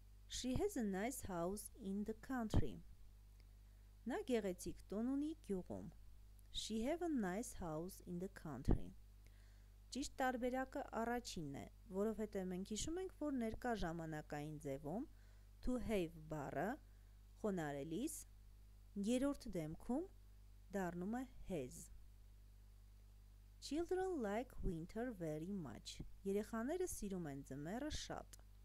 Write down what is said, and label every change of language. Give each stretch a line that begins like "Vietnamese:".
English: She has a nice house in the country.
Armenian: Նա գեղեցիկ տուն ունի գյուղում.
English: She have a nice house in the country.
Armenian: Ճիշտ տարբերակը առաջինն է, որովհետև մենք հիշում ենք, որ ներկա ժամանակային ձևում to have բառը խոնարելիս երրորդ դեմքում դառնում է has.
English: Children like winter very much.
Armenian: Երեխաները սիրում են ձմեռը շատ.